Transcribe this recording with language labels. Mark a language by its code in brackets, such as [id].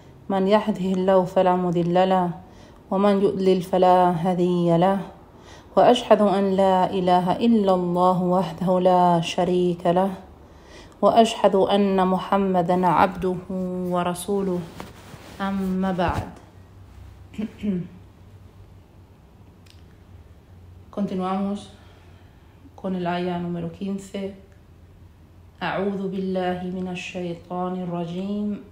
[ar] من يهده الله فلا مضل له ومن يضلل فلا هادي له وأشهد أن لا إله إلا الله وحده لا شريك له وأشهد أن محمدا عبده ورسوله أما بعد. [es] Continuamos con el ayah número 15. [ar] أعوذ بالله من الشيطان الرجيم.